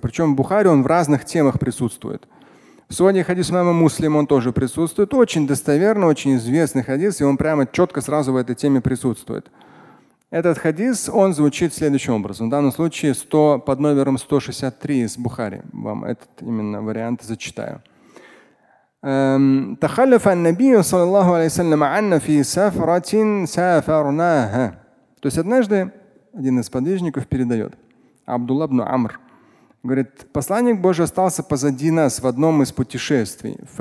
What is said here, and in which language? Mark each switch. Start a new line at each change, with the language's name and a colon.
Russian: Причем в Бухари он в разных темах присутствует. В своде хадис имама муслим он тоже присутствует. Очень достоверно, очень известный хадис, и он прямо четко сразу в этой теме присутствует. Этот хадис, он звучит следующим образом. В данном случае 100, под номером 163 из Бухари. Вам этот именно вариант зачитаю.
Arabic: تخلف النبي صلى الله عليه وسلم عنا في سفرة سافرناها.
Russian: То есть однажды один из подвижников передает, Абдулла ибн Амр, говорит, посланник Божий остался позади нас в одном из путешествий.